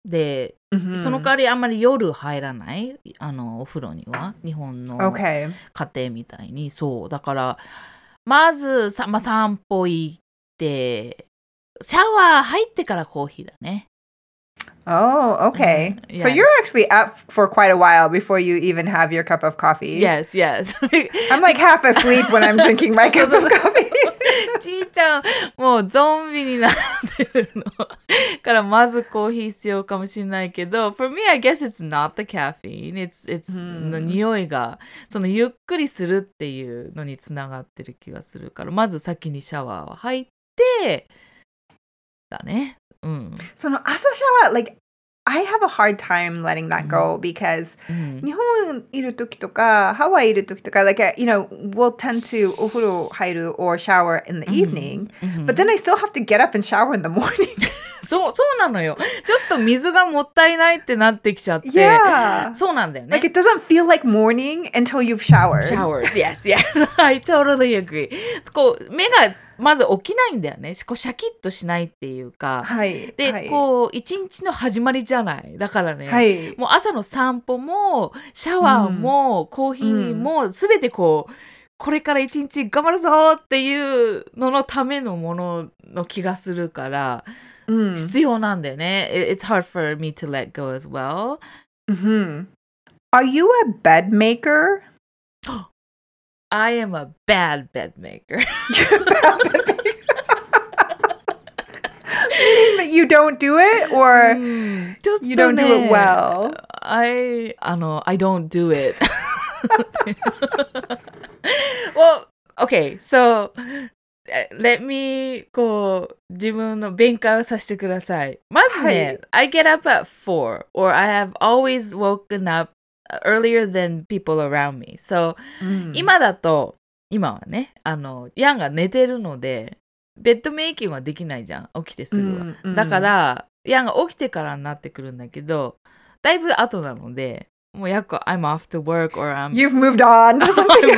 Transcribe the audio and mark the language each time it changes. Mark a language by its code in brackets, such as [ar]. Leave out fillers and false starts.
[ja] で、その代わりあんまり夜入らないお風呂には日本の家庭みたいに、そうだからまずさ、まあ、散歩行ってシャワー入ってからコーヒーだね。 [en] Oh, okay. Yes. So you're actually up for quite a while before you even have your cup of coffee. Yes, yes. I'm like half asleep when I'm drinking my cup of coffee. [ja] ちーちゃん、もうゾンビになってるの。 [en] からまずコーヒー必要かもしれないけど、 for me, I guess it's not the caffeine. [ja] It's the 匂いが、そのゆっくりするっていうのにつながってる気がするから、まず先にシャワーを入って、だね。 [en] その朝シャワー、 like, I have a hard time letting that go because 日本いる時とかハワイいる時とか like, you know, we'll tend to お風呂入る or shower in the evening, but then I still have to get up and shower in the morning. [ja] そうなのよ。ちょっと水がもったいないってなってきちゃって。 [en] Yeah. [ja] そうなんだよね。 [en] Like, it doesn't feel like morning until you've showered. Showered, yes, yes. I totally agree. [ja] こう、目がまず起きないんだよね。こうシャキッとしないっていうか。はい。で、はい、こう、一日の始まりじゃない。だからね、はい、もう朝の散歩も、シャワーも、コーヒーも、すべてこう、これから一日頑張るぞっていうののためのものの気がするから、必要なんだよね。 [en] It's hard for me to let go as well. Mm-hmm. Are you a bed maker? I am a bad bed maker. You're a bad bed maker? Meaning that you don't do it or you don't do it well? I don't do it. [ja] Well, okay, so... Let me, こう、自分の勉強をさせてください。 [en] まずね、はい、I get up at 4, or I have always woken up earlier than people around me. [ja] So, 今だと、今はね、ヤンが寝てるので、ベッドメイキングはできないじゃん、起きてすぐは。だから、ヤンが起きてからになってくるんだけど、だいぶ後なので、もうやっこ、 I'm off to work, or I'm... [en] You've moved on to something else.